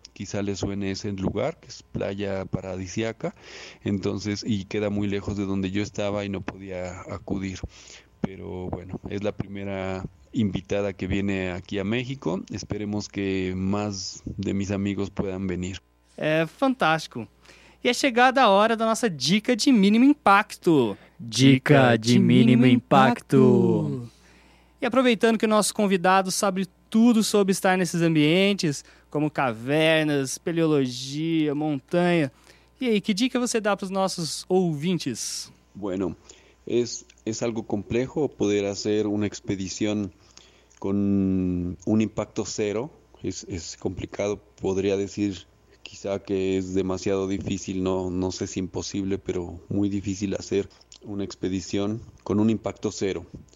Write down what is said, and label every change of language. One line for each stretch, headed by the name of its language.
Spanish: Quizá le suene ese lugar, que es playa paradisiaca. Entonces, y queda muy lejos de donde yo estaba y no podía acudir. Pero bueno, es la primera invitada que viene aquí a México. Esperemos que más de mis amigos puedan venir.
Portuguese: É fantástico. E é chegada a hora da nossa dica de mínimo impacto. Dica de mínimo impacto. E aproveitando que o nosso convidado sabe tudo sobre estar nesses ambientes, como cavernas, espeleologia, montanha. E aí, que dica você dá para os nossos ouvintes?
Spanish: Bueno, es algo complejo poder hacer una expedición con un impacto cero. Es complicado, podría decir quizá que es demasiado difícil, no sé si imposible, pero muy difícil hacer una expedición con un impacto cero.